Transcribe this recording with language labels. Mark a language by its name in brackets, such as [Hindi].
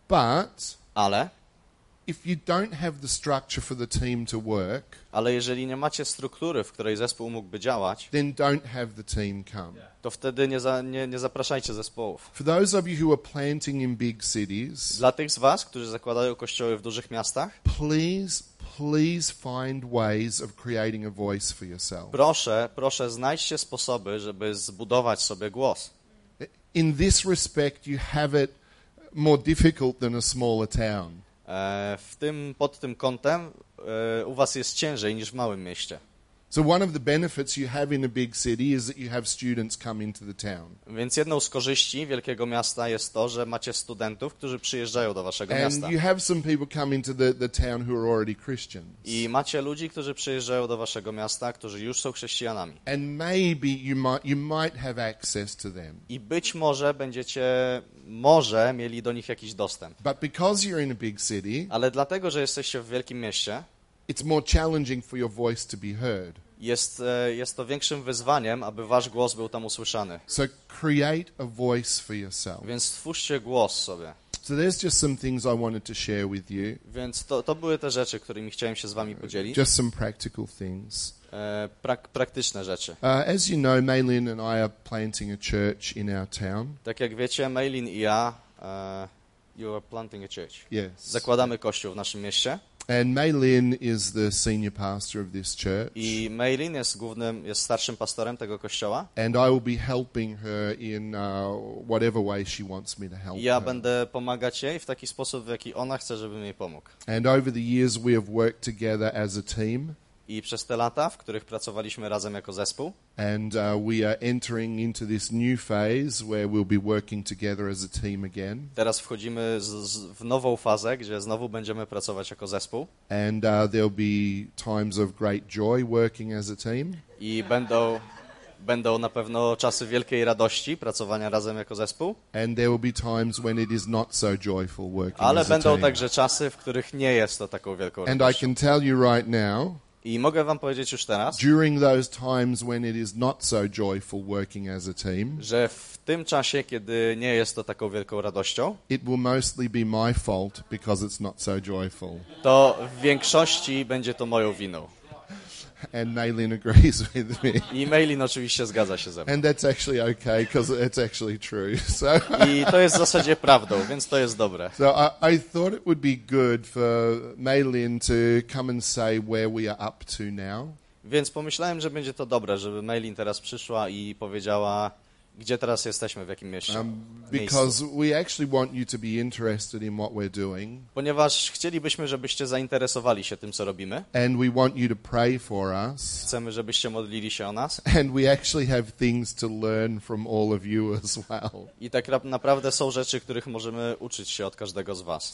[English] But [Polish] ale [English] if you don't have the structure for the team to work, [Polish] ale jeżeli nie macie struktury, w której zespół mógłby działać, [English] then don't have the team come. [Polish] To wtedy nie zapraszajcie zespołów. [English] For those of you who are planting in big cities, [Polish] dla tych z was, którzy zakładają kościoły w dużych miastach, [English] please, please find ways of creating a voice for yourself. [Polish] Proszę, proszę, znajdźcie sposoby, żeby zbudować sobie głos. [English] In this respect, you have it more difficult than a smaller town. [Polish] Pod tym kątem u was jest ciężej niż w małym mieście. [English] So one of the benefits you have in a big city is that you have students come into the town. [Polish] Więc jedną z korzyści wielkiego miasta jest to, że macie studentów, którzy przyjeżdżają do waszego [English] and [Polish] miasta. [English] You have some people come into the town who are already Christians. [Polish] I macie ludzi, którzy przyjeżdżają do waszego miasta, którzy już są chrześcijanami. [English] And maybe you might have access to them. [Polish] I być może będziecie może mieli do nich jakiś dostęp. [English] But because you're in a big city, [Polish] ale dlatego, że jesteście w wielkim mieście, [English] it's more challenging for your voice to be heard. [Polish] Jest to większym wyzwaniem, aby wasz głos był tam usłyszany. [English] So create a voice for yourself. [Polish] Więc stwórzcie głos sobie. [English] So there's just some things I wanted to share with you. [Polish] Więc to były te rzeczy, którymi chciałem się z wami podzielić. [English] Just some practical things. [Polish] Praktyczne rzeczy. [English] As you know, Maylin and I are planting a church in our town. [Polish] Tak jak wiecie, Maylin i ja, [English] you are planting a church. Yes. [Polish] Zakładamy kościół w naszym mieście. [English] And Maylin is the senior pastor of this church. [Polish] I Maylin jest starszym pastorem tego kościoła. [English] And I will be helping her in whatever way she wants me to help [Polish] ja [English] her. [Polish] Ja będę pomagać jej w taki sposób, w jaki ona chce, żebym jej pomógł. [English] And over the years we have worked together as a team. [Polish] I przez te lata, w których pracowaliśmy razem jako zespół. [English] And we are entering into this new phase where we'll be working together as a team again. [Polish] Teraz wchodzimy w nową fazę, gdzie znowu będziemy pracować jako zespół. [English] And there'll be times of great joy working as a team. [Polish] I będą na pewno czasy wielkiej radości pracowania razem jako zespół. [English] And there will be times when it is not so joyful working. [Polish] Ale [English] as [Polish] będą [English] a team. [Polish] Także czasy, w których nie jest to taką wielką radością. [English] And I can tell you right now, [Polish] i mogę wam powiedzieć już teraz, [English] during those times when it is not so joyful working as a team, [Polish] że w tym czasie, kiedy nie jest to taką wielką radością, [English] it will mostly be my fault because it's not so joyful. [Polish] To w większości będzie to moją winą. [English] And Maylin agrees with me. [Polish] I Maylin oczywiście zgadza się ze mną. [English] And that's actually okay because it's actually true. So [Polish] i to jest w zasadzie prawdą, więc to jest dobre. [English] So I thought it would be good for Maylin to come and say where we are up to now. [Polish] Więc pomyślałem, że będzie to dobre, żeby Meilin teraz przyszła i powiedziała, gdzie teraz jesteśmy, w jakim mieście. [English] Because we actually want you to be interested in what we're doing. [Polish] Ponieważ chcielibyśmy, żebyście zainteresowali się tym, co robimy. [English] And we want you to pray for us. [Polish] Chcemy, żebyście modlili się o nas. [English] And we actually have things to learn from all of you as well. [Polish] I tak naprawdę są rzeczy, których możemy uczyć się od każdego z was.